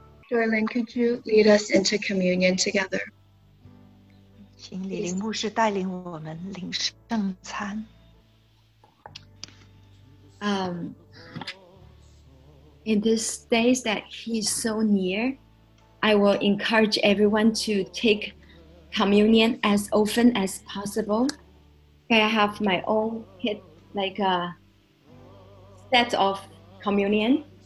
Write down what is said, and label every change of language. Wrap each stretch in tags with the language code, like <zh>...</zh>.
<en>Darlene, could you lead us into communion together?</en> <zh>请李林牧师带领我们领圣餐。</zh> <en>In these days that he's so near, I will encourage everyone to take communion as often as possible. I have my own kit, like a set of communion.</en>